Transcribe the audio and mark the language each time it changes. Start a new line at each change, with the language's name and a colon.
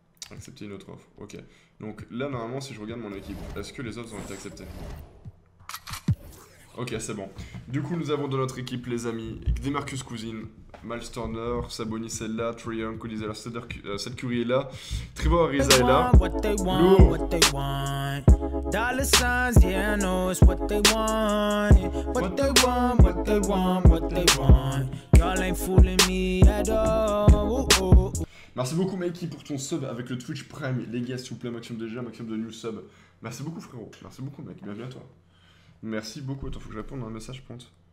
French: Accepter une autre offre. Ok. Donc là, normalement, si je regarde mon équipe, est-ce que les offres ont été acceptées? Ok, c'est bon. Du coup, nous avons dans notre équipe, les amis, DeMarcus Cousins, Miles Turner, Sabonis est là, Trae Young, Cody Zeller, Seth Curry est là, Trevor Ariza est là. Lourd.
English: Dollar signs, yeah, I know it's what they want. What they want, what they want, what they want. Y'all ain't fooling me at all. Oh, oh.
French: Merci beaucoup, Mikey, pour ton sub avec le Twitch Prime. Les gars, s'il vous plaît, maximum de gens, maximum de new sub. Merci beaucoup, frérot. Merci beaucoup, mec. Bienvenue à toi. Merci beaucoup. Attends, faut que je réponde à un message, Ponte.